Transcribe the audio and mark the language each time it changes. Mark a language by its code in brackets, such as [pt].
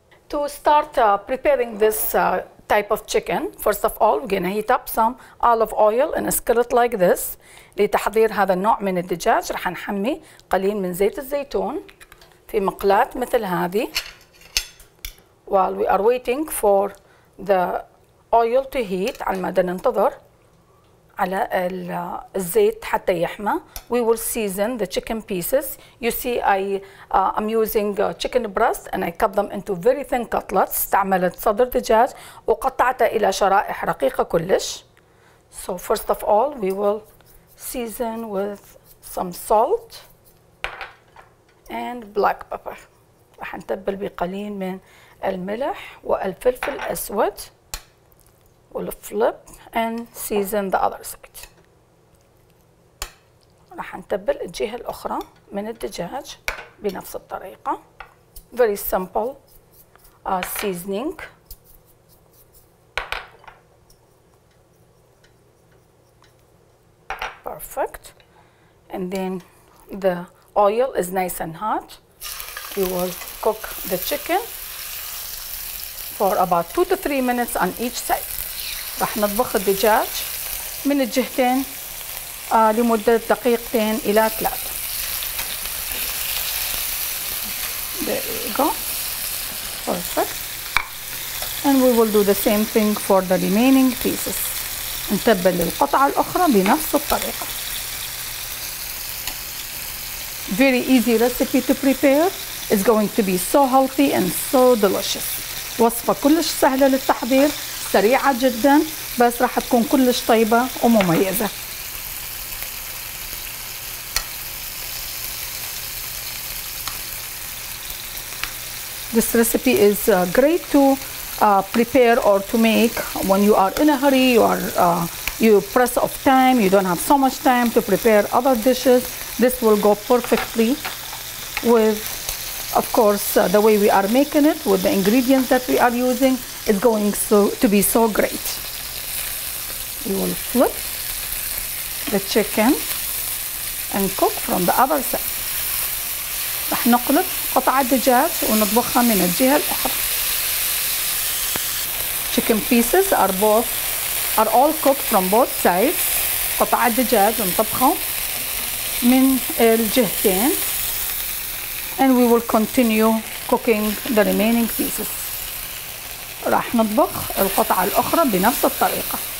[en] To start preparing this type of chicken, first of all, we're gonna heat up some olive oil in a skillet like this. [ar] لتحضير هذا النوع من الدجاج رح نحمي قليل من زيت الزيتون في مقلاة مثل هذه. [en] While we are waiting for the oil to heat, [ar] على مدى ننتظر على الزيت حتى يحمى. [en] We will season the chicken pieces. You see, I'm using chicken breast and I cut them into very thin cutlets. [ar] استعملت صدر دجاج وقطعته إلى شرائح رقيقة كلش. [en] So first of all, we will season with some salt and black pepper. [ar] رح نتبل بقليل من الملح والفلفل الأسود. [en] We'll flip and season the other side. [ar] راح نتبل الجهة الأخرى من الدجاج بنفس الطريقة. [en] Very simple seasoning. Perfect. And then the oil is nice and hot. We will cook the chicken for about 2 to 3 minutes on each side. [ar] رح نطبخ الدجاج من الجهتين لمدة دقيقتين إلى 3. [en] There you go. Perfect. And we will do the same thing for the remaining pieces. [ar] نتبل القطعة الأخرى بنفس الطريقة. [en] Very easy recipe to prepare. It's going to be so healthy and so delicious. [ar] وصفة كلش سهلة للتحضير. سريعة جدا بس راح تكون كلش طيبة ومميزة. [en] This recipe is great to prepare or to make when you are in a hurry or you press of time, you don't have so much time to prepare other dishes. This will go perfectly with, of course, the way we are making it with the ingredients that we are using. It's going to be so great. We will flip the chicken and cook from the other side. [ar] رح نقلب قطع الدجاج ونطبخها من الجهة الأخرى. [en] Chicken pieces are all cooked from both sides. [ar] قطع الدجاج ونطبخه من الجهتين. [en] And we will continue cooking the remaining pieces. [ar] راح نطبخ القطعة الأخرى بنفس الطريقة.